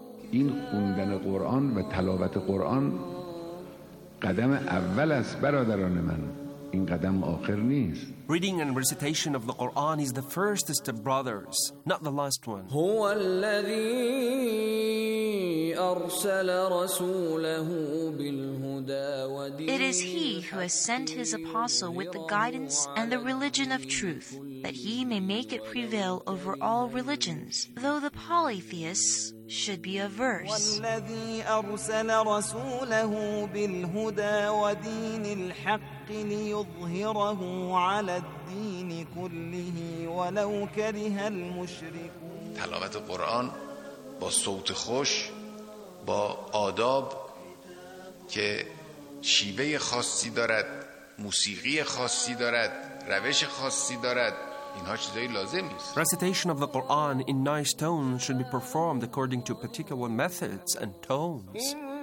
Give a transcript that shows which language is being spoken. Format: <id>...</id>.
<fa>این خوندن قرآن و تلاوت قرآن قدم اول است برادران من این قدم آخر نیست.</fa> <en>Reading and recitation of the Quran is the first step, brothers, not the last one.</en> <ar>هو الذي أرسل رسوله بالهدى ودين.</ar> <en>It is he who has sent his apostle with the guidance and the religion of truth, that he may make it prevail over all religions, though the polytheists should be averse.</en> <ar>والذي أرسل رسوله بالهدى ودين الحق ليظهره على الدين كله ولو كره المشركون.</ar> <fa>تلاوت القرآن با صوت خوش، با آداب که شیوه خاصی دارد، موسیقی خاصی دارد، روش خاصی دارد، اینها چیزایی لازم است.</fa> <en>Recitation of the Quran in nice tones should be performed according to particular methods and tones.</en>